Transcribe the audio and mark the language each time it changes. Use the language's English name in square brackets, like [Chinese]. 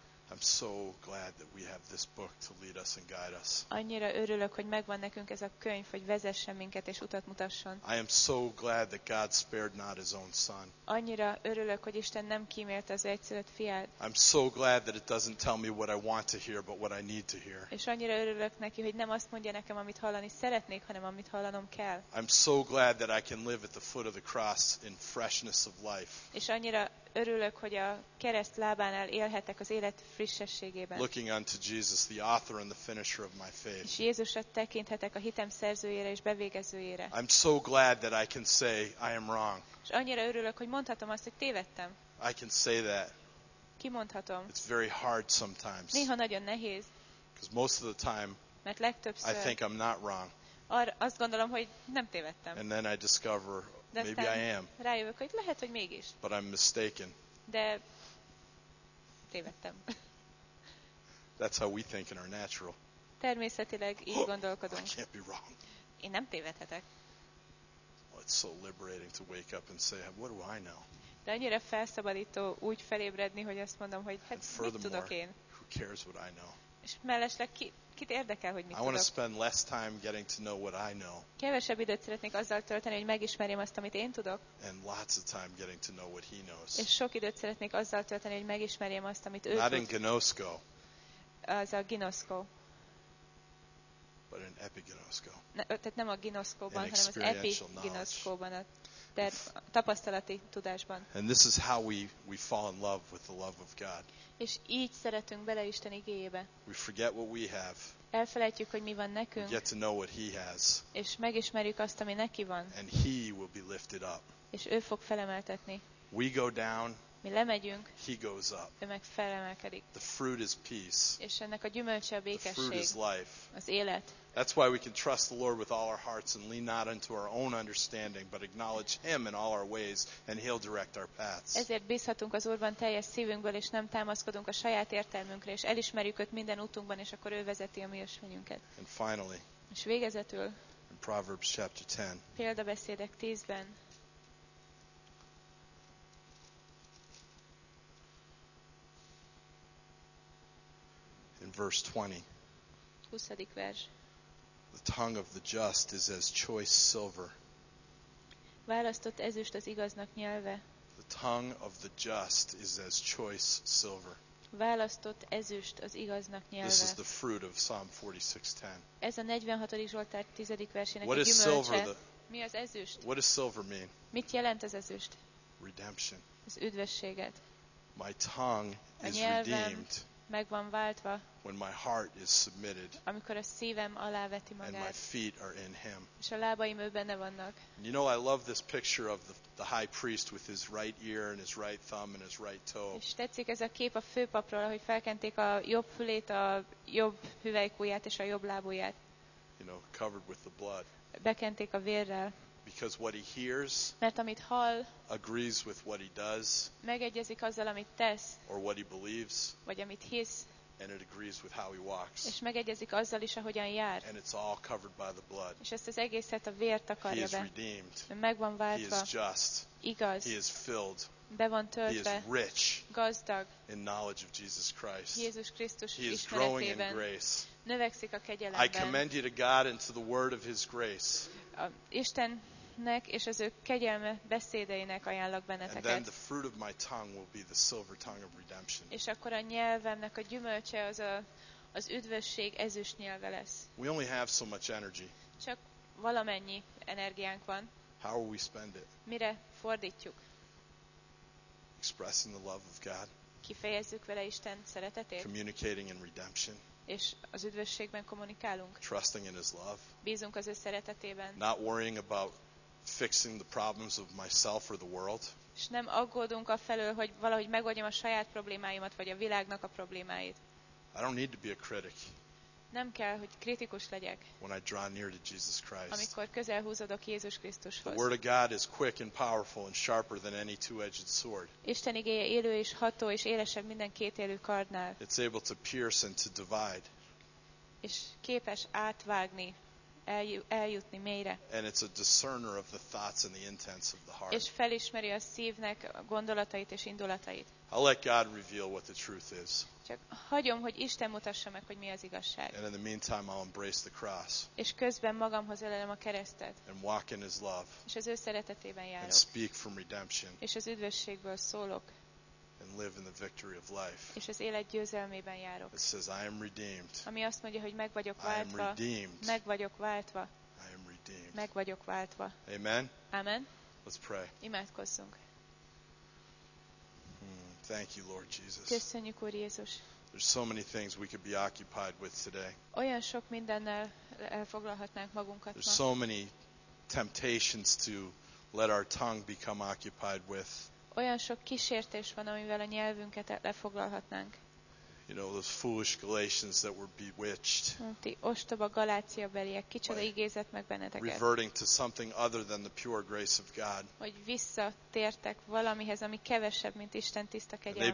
[English] I'm so glad that we have this book to lead us and guide us. [Hungarian] Annyira örülök, hogy megvan nekünk ez a könyv, hogy vezessen minket és utat mutasson. [English] I am so glad that God spared not His own Son. [Hungarian] Annyira örülök, hogy Isten nem kímélte az egyszülött fiát. [English] I'm so glad that it doesn't tell me what I want to hear, but what I need to hear. [Hungarian] És annyira örülök neki, hogy nem azt mondja nekem, amit hallani szeretnék, hanem amit hallanom kell. [English] I'm so glad that I can live at the foot of the cross in freshness of life. [Hungarian] És annyira örülök, hogy a kereszt lábánál élhetek az élet frissességében. [English] Looking unto Jesus, the author and the finisher of my faith. [Hungarian] És Jézusra tekinthetek, a hitem szerzőjére és bevégezőjére. [English] I'm so glad that I can say I am wrong. [Hungarian] És annyira örülök, hogy mondhatom azt, hogy tévedtem. [English] I can say that. [Hungarian] Kimondhatom. [English] It's very hard sometimes. [Hungarian] Néha nagyon nehéz. [English] Because most of the time, [Hungarian] mert legtöbbször [English] I think I'm not wrong. [Hungarian] Azt gondolom, hogy nem tévedtem. [English] And then I discover maybe I am. [Hungarian] Rájövök, hogy lehet, hogy mégis. [English] But I'm mistaken. [Hungarian] De tévedtem. [English] That's how we think in our natural. [Hungarian] Természetileg így gondolkodunk. [English] I can't be wrong. [Hungarian] Én nem tévedhetek. [English] Oh, it's so liberating to wake up and say, what do I know? [Hungarian] De annyira felszabadító úgy felébredni, hogy azt mondom, hogy hát mit tudok én? [English] Who cares what I know? [Hungarian] És mellesleg kit érdekel, hogy mit tudok? [English] I want to spend less time getting to know what I know. [Hungarian] Kevesebb időt szeretnék azzal tölteni, hogy megismerjem azt, amit én tudok. [English] And lots of time getting to know what he knows. [Hungarian] És sok időt szeretnék azzal tölteni, hogy megismerjem azt, amit ő tud. [English] Not in gnosko. [Hungarian] Az a ginoszkó. [English] But an epiginoszkó. [Hungarian] Tehát nem a ginoszkóban, hanem az epiginoszkóban, a tapasztalati tudásban. [English] And this is how we fall in love with the love of God. [Hungarian] És így szeretünk bele Isten igéjébe. [English] We forget what we have. [Hungarian] Elfelejtjük, hogy mi van nekünk. [English] We get to know what he has. [Hungarian] És megismerjük azt, ami neki van. [English] And he will be lifted up. [Hungarian] És ő fog felemeltetni. [English] We go down. [Hungarian] mi lemegyünk, [English] he goes up. [Hungarian] Ő meg felemelkedik. [English] The fruit is peace. [Hungarian] És ennek a gyümölcse a békesség. [English] The fruit is life. [Hungarian] Az élet. [English] That's why we can trust the Lord with all our hearts and lean not unto our own understanding, but acknowledge him in all our ways, and he'll direct our paths. [Hungarian] Ezért bízhatunk az Úrban teljes szívünkből, és nem támaszkodunk a saját értelmünkre, és elismerjük őt minden útunkban, és akkor ő vezeti a mi ösvényünket. [English] And finally, [Hungarian] és végezetül, [English] in Proverbs chapter 10, [Hungarian] Példabeszédek 10-ben, [English] in verse 20. [Hungarian] 20. vers. [English] The tongue of the just is as choice silver. [Hungarian] Választott ezüst az igaznak nyelve. [English] The tongue of the just is as choice silver. [Hungarian] Választott ezüst az igaznak nyelve. [English] This is the fruit of Psalm 46:10. [Hungarian] Ez a 46. Zsoltár 10. versének [English] what [Hungarian] a gyümölcse. [English] Silver, [Hungarian] mi az ezüst? [English] What does silver mean? [Hungarian] Mit jelent az ezüst? [English] Redemption. [Hungarian] Az üdvösséget. [English] My tongue [Hungarian] a nyelvem [English] is redeemed. [Hungarian] Megvan váltva, [English] when my heart is submitted, [Hungarian] amikor a szívem aláveti magát, [English] and my feet are in him. [Hungarian] És a lábaim ő benne vannak. [English] And you know, I love this picture of the high priest with his right ear and his right thumb and his right toe. [Hungarian] És tetszik ez a kép a főpapról, hogy felkenték a jobb fülét, a jobb hüvelykujját és a jobb lábujját. [English] You know, covered with the blood. [Hungarian] Bekenték a vérrel. [English] Because what he hears, [Hungarian] mert amit hall, [English] agrees with what he does, [Hungarian] megegyezik azzal, amit tesz, [English] or what he believes, [Hungarian] vagy amit hisz, [English] and it agrees with how he walks, [Hungarian] és megegyezik azzal is, ahogyan jár, [English] and it's all covered by the blood, [Hungarian] és ezt az egészet a vér takarja be. [English] He is redeemed, [Hungarian] megvan váltva, [English] he is just, [Hungarian] igaz, [English] he is filled, [Hungarian] be van töltve, [English] he is rich, [Hungarian] gazdag, [English] in knowledge of Jesus Christ, [Hungarian] Jézus Krisztus [English] he is growing in grace, [Hungarian] növekszik a kegyelemben. [English] I commend you to God and to the word of his grace. [Hungarian] Isten nek és az ő kegyelme beszédeinek ajánlok benneteket. És akkor a nyelvemnek a gyümölcse az az üdvösség ezüst nyelve lesz. [English] We only have so much energy. [Hungarian] Csak valamennyi energiánk van. [English] How will we spend it? [Hungarian] Mire fordítjuk? [English] Expressing the love of God. [Hungarian] Kifejezzük vele Isten szeretetét. [English] Communicating in redemption. [Hungarian] És az üdvösségben kommunikálunk. [English] Trusting in his love. [Hungarian] Bízunk az ő szeretetében. [English] Not worrying about fixing the problems of myself or the world. [Hungarian] És nem aggódunk a felől, hogy valahogy megoldjam a saját problémáimat vagy a világnak a problémáit. [English] I don't need to be a critic. [Hungarian] Nem kell, hogy kritikus legyek. [English] When I draw near to Jesus Christ. [Hungarian] Amikor közel húzódok Jézus Krisztushoz. [English] The word of God is quick and powerful and sharper than any two-edged sword. [Hungarian] Isten igéje élő és ható és élesebb minden kétélű kardnál. [English] It's able to pierce and to divide. [Hungarian] És képes átvágni. Eljutni mélyre. [English] And it's a discerner of the thoughts and the intents of the heart. [Hungarian] És felismeri a szívnek gondolatait és indulatait. [English] I'll let God reveal what the truth is. [Hungarian] Csak hagyom, hogy Isten mutassa meg, hogy mi az igazság. [English] And in the meantime, I'll embrace the cross. [Hungarian] És közben magamhoz ölelem a keresztet. [English] And walk in his love. [Hungarian] És az ő szeretetében járok. [English] And speak from redemption. [Hungarian] És az üdvösségből szólok. [English] And live in the victory of life. [Hungarian] És az élet győzelmében járok. [English] It says, I am redeemed. [Hungarian] Ami azt mondja, hogy meg vagyok váltva. [English] I am redeemed. [Hungarian] Meg vagyok váltva. [English] I am redeemed. [Hungarian] Meg vagyok váltva. [English] Amen. [Hungarian] Amen. [English] Let's pray. [Hungarian] Imádkozzunk. [English] Thank you, Lord Jesus. [Hungarian] Köszönjük, Úr Jézus. [English] There's so many things we could be occupied with today. [Hungarian] Olyan sok mindennel elfoglalhatnánk magunkat. [English] There's so many temptations to let our tongue become occupied with. [Hungarian] Olyan sok kísértés van, amivel a nyelvünket lefoglalhatnánk. [English] You know, those foolish Galatians that were bewitched. [Hungarian] Ti ostoba galáciabeliek, kicsoda igézett meg benneteket. [English] Reverting to something other than the pure grace of God. [Hungarian] Hogy visszatértek valamihez, ami kevesebb, mint Isten tiszta kegyelme.